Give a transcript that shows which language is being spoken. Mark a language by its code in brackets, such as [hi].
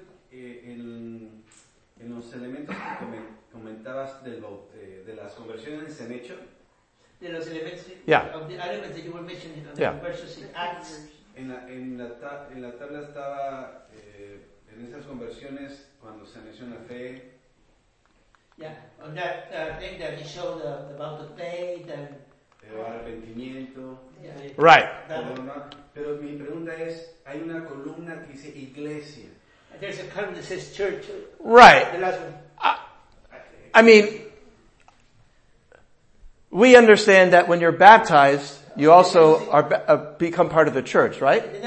[es] En los elementos que comentabas de las conversiones en hecho. De los elementos. [en] Yeah. Of the elements that you were mentioning, you know, conversions in Acts. [es] En la tabla estaba en esas conversiones cuando se menciona fe. [en] Yeah. On that thing that you showed about the faith and. [es] El arrepentimiento. [en] Right. [es] Pero mi pregunta es, hay una columna que dice iglesia. [en] There's a column that says church. Right. The last one. I mean, we understand that when you're baptized, you also are become part of the church, right?